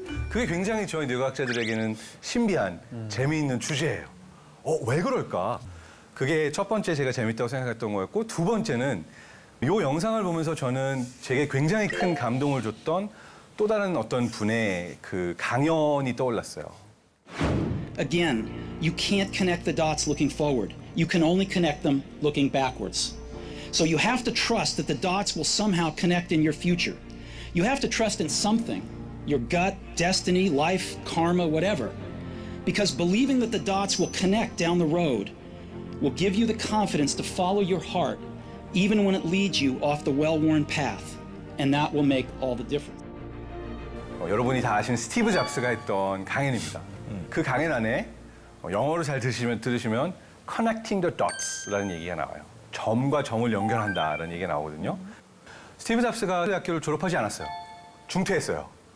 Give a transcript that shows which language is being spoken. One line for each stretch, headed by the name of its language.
Korean: 그게 굉장히 저희 뇌과학자들에게는 신비한, 재미있는 주제예요. 왜 그럴까? 그게 첫 번째 제가 재밌다고 생각했던 거였고 두 번째는 이 영상을 보면서 저는 제게 굉장히 큰 감동을 줬던 또 다른 어떤 분의 그 강연이 떠올랐어요.
English: Again, you can't connect the dots looking forward. You can only connect them looking backwards. So you have to trust that the dots will somehow connect in your future. You have to trust in something, your gut, destiny, life, karma, whatever. Because believing that the dots will connect down the road will give you the confidence to follow your heart even when it leads you off the well-worn path. And that will make all the difference.
Korean: 여러분이 다 아시는 스티브 잡스가 했던 강연입니다. 그 강연 안에 영어로 잘 들으시면
English: connecting the dots
Korean: 라는 얘기가 나와요. 점과 점을 연결한다라는 얘기가 나오거든요. 스티브 잡스가 대학교를 졸업하지 않았어요. 중퇴했어요.